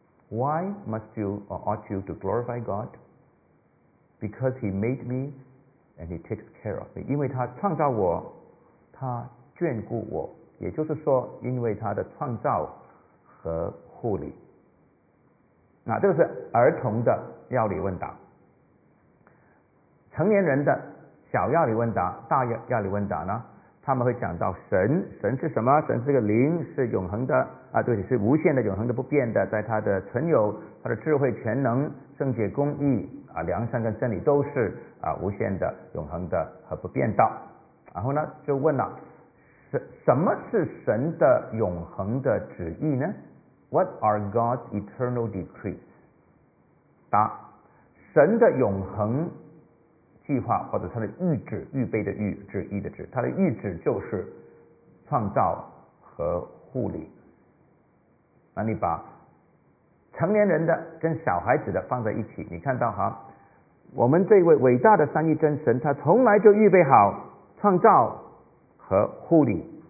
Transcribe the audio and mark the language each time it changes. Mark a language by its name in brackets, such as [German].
[English] Why must you or ought you to glorify God? Because he made me and he takes care of me. [Chinese] 因为他创造我，他眷顾我，也就是说因为他的创造和护理。那这个是儿童的要理问答。成年人的小要理问答、大要理问答呢，他们会讲到神，神是什么？神是个灵，是永恒的啊，对，是无限的、永恒的、不变的，在他的存有、他的智慧、全能、圣洁、公义啊、良善跟真理都是啊无限的、永恒的和不变的。然后呢，就问了，什么是神的永恒的旨意呢？ [English] What are God's eternal decrees? [Chinese] 答：神的永恒计划，或者他的预旨，预备的预，旨意的旨，他的预旨就是创造和护理。那你把成年人的跟小孩子的放在一起，你看到哈，我们这位伟大的三一真神，他从来就预备好创造和护理。